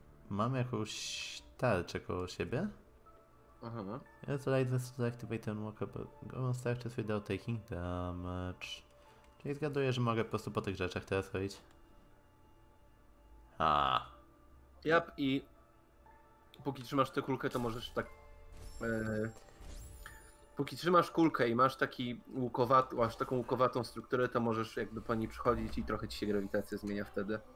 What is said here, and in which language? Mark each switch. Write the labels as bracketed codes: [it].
[pl] Mam jakąś tarczę koło siebie. Aha. [en] Use the light vessel to activate and walk up go on structures without taking damage. [pl] Czyli zgaduję, że mogę po prostu po tych rzeczach teraz chodzić. A. Yep, i póki trzymasz tę kulkę, to możesz tak. Póki trzymasz kulkę i masz taki łukowatą, masz taką łukowatą strukturę, to możesz jakby po niej przychodzić i trochę ci się grawitacja zmienia wtedy.